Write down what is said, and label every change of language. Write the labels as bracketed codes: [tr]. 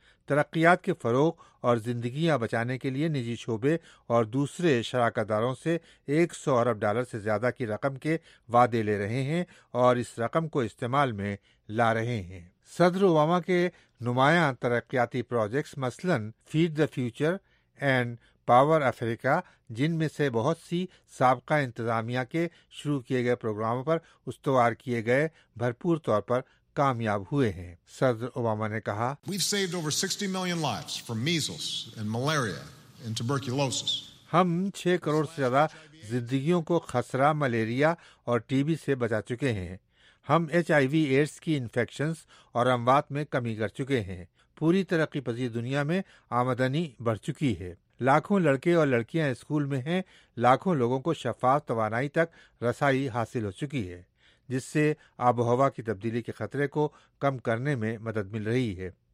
[ur] ترقیات کے فروغ اور زندگیاں بچانے کے لیے نجی شعبے اور دوسرے شراکت داروں سے $100 ارب سے زیادہ کی رقم کے وعدے لے رہے ہیں اور اس رقم کو استعمال میں لا رہے ہیں۔ صدر اوباما کے نمایاں ترقیاتی پروجیکٹس مثلاً feed the future and power افریقہ، جن میں سے بہت سی سابقہ انتظامیہ کے شروع کیے گئے پروگراموں پر استوار کیے گئے، بھرپور طور پر کامیاب ہوئے ہیں۔ صدر اوباما نے کہا، [en] We've saved over 60 million lives from measles and malaria and tuberculosis. [ur] ہم 6 کروڑ سے زیادہ زندگیوں کو خسرہ، ملیریا اور ٹی بی سے بچا چکے ہیں۔ ہم ایچ آئی وی ایڈس کی انفیکشنز اور اموات میں کمی کر چکے ہیں۔ پوری ترقی پذیر دنیا میں آمدنی بڑھ چکی ہے۔ لاکھوں لڑکے اور لڑکیاں اسکول میں ہیں۔ لاکھوں لوگوں کو شفاف توانائی تک رسائی حاصل ہو چکی ہے، جس سے آب و ہوا کی تبدیلی کے خطرے کو کم کرنے میں مدد مل رہی ہے۔